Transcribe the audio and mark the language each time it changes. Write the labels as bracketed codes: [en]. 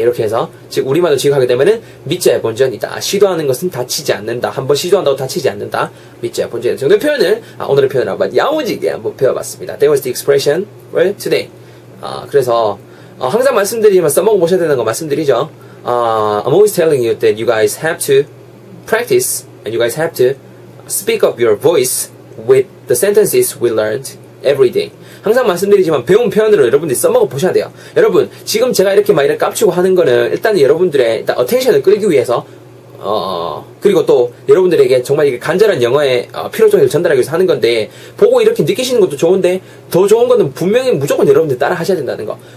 [ko] 이렇게 해서 즉 우리말로 직역하게 되면은 믿자의 본전이다. 시도하는 것은 다치지 않는다. 한번 시도한다고 다치지 않는다. 믿자의 본전이다. 정도의 표현을 오늘의 표현을 한번 야무지게 한번 배워봤습니다. [en] That was the expression for today. [ko] 그래서 항상 말씀드리지만 써먹어 보셔야 되는 거 말씀드리죠. [en] I'm always telling you that you guys have to practice and you guys have to speak up your voice with the sentences we learned every day. [ko] 항상 말씀드리지만 배운 표현으로 여러분들이 써먹어 보셔야 돼요. 여러분 지금 제가 이렇게 막 이렇게 깝치고 하는 거는 일단 여러분들의 일단 어텐션을 끌기 위해서 그리고 또 여러분들에게 정말 이게 간절한 영어의 필요성을 전달하기 위해서 하는 건데 보고 이렇게 느끼시는 것도 좋은데 더 좋은 거는 분명히 무조건 여러분들 따라 하셔야 된다는 거.